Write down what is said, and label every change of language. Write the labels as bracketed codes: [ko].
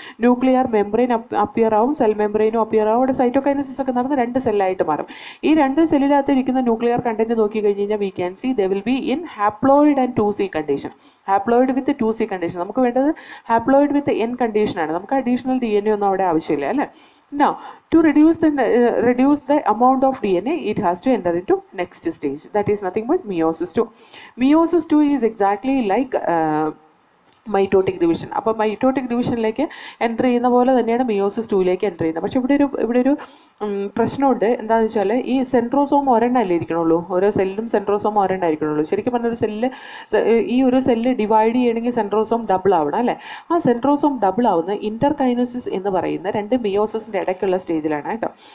[ml] Nuclear membrane appear ആവും, cell മെംബ്രെയിനും appear ആവും, അവിടെ സൈറ്റോകൈനസിസ് ഒക്കെ നടന്ന് രണ്ട് സെല്ലായിട്ട് മാറും. ഈ രണ്ട് സെല്ലിനകത്ത് ഇരിക്കുന്ന ന്യൂക്ലിയർ കണ്ടന്റ് നോക്കി കഴിഞ്ഞാൽ [en] we can see they will be in haploid and two C [ml] condition. Haploid with to C condition, നമുക്ക് വേണ്ടത് ഹാപ്ലോയിഡ് വിത്ത് എൻ കണ്ടീഷനാണ്. നമുക്ക് അഡീഷണൽ ഡി എൻ എ ഒന്നും അവിടെ ആവശ്യമില്ല അല്ലേ. [en] Now, to reduce the amount of DNA, it has to enter into next stage. That is nothing but meiosis 2. Meiosis 2 is exactly like mitotic division. [ml] അപ്പോൾ mitotic ഡിവിഷനിലേക്ക് enter ചെയ്യുന്ന പോലെ തന്നെയാണ് meiosis ടൂയിലേക്ക് enter ചെയ്യുന്നത്. പക്ഷേ ഇവിടെ ഒരു പ്രശ്നമുണ്ട്. എന്താണെന്ന് വെച്ചാൽ ഈ സെൻട്രോസോം ഒരെണ്ണല്ലേ ഇരിക്കണുള്ളൂ, ഓരോ സെല്ലിലും സെൻട്രോസോം ഒരെണ്ണായിരിക്കണുള്ളൂ. ശരിക്കും പറഞ്ഞ ഒരു സെല്ല്, ഈ ഒരു സെല്ല് ഡിവൈഡ് ചെയ്യണമെങ്കിൽ സെൻട്രോസോം ഡബിൾ ആവണം അല്ലേ. ആ സെൻട്രോസോം ഡബിൾ ആവുന്ന ഇന്റർകൈനസിസ് എന്ന് പറയുന്ന രണ്ട് മിയോസിസിൻ്റെ ഇടയ്ക്കുള്ള സ്റ്റേജിലാണ് കേട്ടോ.